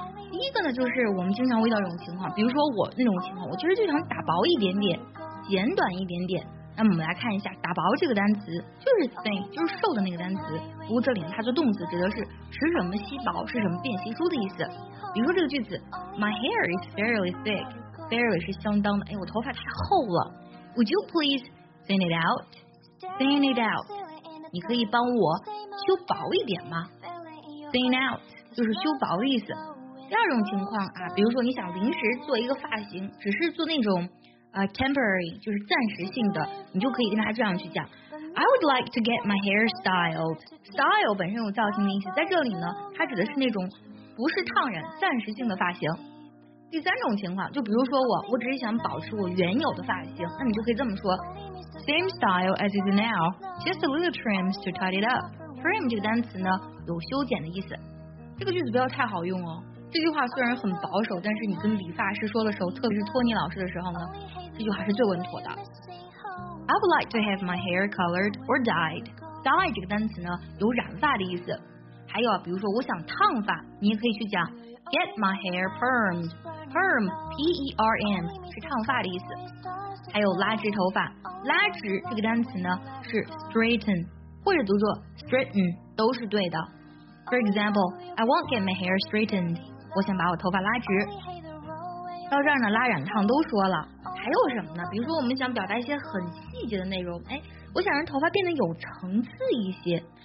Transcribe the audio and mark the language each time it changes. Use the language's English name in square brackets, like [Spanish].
[Chinese] 第一个呢，就是我们经常遇到这种情况，比如说我那种情况，我其实就想打薄一点点，剪短一点点。那么我们来看一下，打薄这个单词就是 thin， 就是瘦的那个单词。不过这里它做动词，指的是使什么稀薄，是什么变稀疏的意思。比如说这个句子 ， [English] My hair is fairly thick， [Chinese] fairly 是相当的，哎，我头发太厚了。 [English] Would you please thin it out？ Thin it out， [Chinese] 你可以帮我修薄一点吗 ？Thin out 就是修薄的意思。第二种情况啊，比如说你想临时做一个发型，只是做那种temporary， 就是暂时性的，你就可以跟他这样去讲 ， [English] I would like to get my hair styled。 [Chinese] style 本身有造型的意思，在这里呢，它指的是那种不是烫染、暂时性的发型。第三种情况，就比如说我只是想保持我原有的发型，那你就可以这么说 ， [English] same style as it is now， just a little trims to tidy it up。 [Chinese] trim 这个单词呢，有修剪的意思。这个句子不要太好用哦。这句话虽然很保守，但是你跟理发师说的时候，特别是托尼老师的时候呢，这句话是最稳妥的。 [English] I would like to have my hair colored or dyed。 [Chinese] dye 这个单词呢，有染发的意思。还有啊，比如说我想烫发，你也可以去讲 [English] get my hair permed。 [Chinese] perm P E R M 是烫发的意思。还有拉直头发，拉直这个单词呢是 straighten， 或者读作 straighten 都是对的。 [English] For example, I won't get my hair straightened。 [Chinese] 我想把我头发拉直。到这儿呢，拉染烫都说了，还有什么呢？比如说我们想表达一些很细节的内容，哎，我想让头发变得有层次一些。